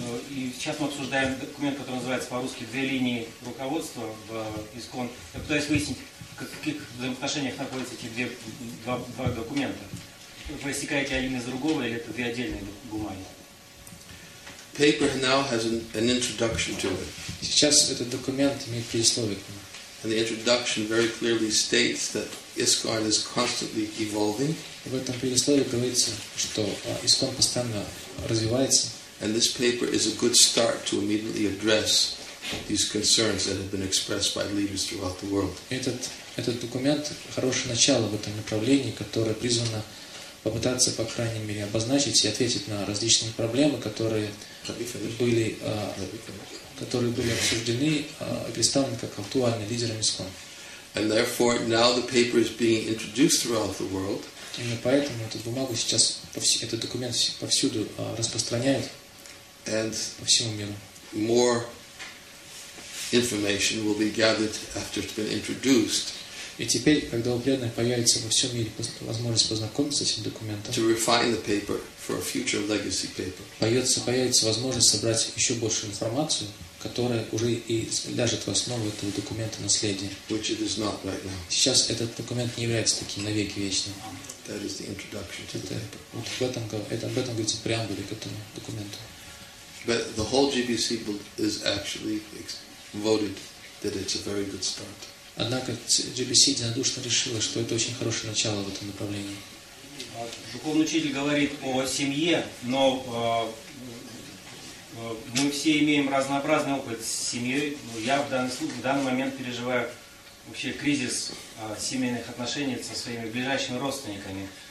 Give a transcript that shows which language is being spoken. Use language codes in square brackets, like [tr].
[ru] И сейчас мы обсуждаем документ, который называется по-русски «Две линии руководства» в ИСКОН. Я пытаюсь выяснить, в каких взаимоотношениях находятся эти два документа. Просекаете один из другого или это две отдельные бумаги? [en] Paper now has an introduction to it. [ru] Сейчас этот документ имеет предисловие к нему. [en] And the introduction very clearly states that ISKCON is constantly evolving. [ru] В этом предисловии говорится, что ИСКОН постоянно развивается. [en] And this paper is a good start to immediately address these concerns that have been expressed by leaders throughout the world. [ru] Этот документ хорошее начало в этом направлении, которое призвано попытаться, по крайней мере, обозначить и ответить на различные проблемы, которые были обсуждены и представлены как актуальные лидерами ИСКОН. [en] And therefore, now the paper is being introduced throughout the world. [ru] Именно поэтому эту бумагу сейчас, этот документ повсюду распространяют по всему миру. [en] More information will be gathered after it's been introduced. [ru] И теперь, когда у преданных появится во всем мире возможность познакомиться с этим документом, [en] to refine the paper for a future legacy paper. [ru] Появится возможность собрать еще больше информации, которая уже и ляжет в основу этого документа наследия. [en] Which it is not right now. [ru] Сейчас этот документ не является таким навеки вечным. [en] That is the introduction to the paper. [ru] Вот об этом говорится преамбуле к этому документу. [en] But the whole GBC is actually voted that it's a very good start. [ru] Однако GBC единодушно решила, что это очень хорошее начало в этом направлении. Духовный учитель говорит о семье, но мы все имеем разнообразный опыт с семьей. Я в данный момент переживаю вообще кризис семейных отношений со своими ближайшими родственниками.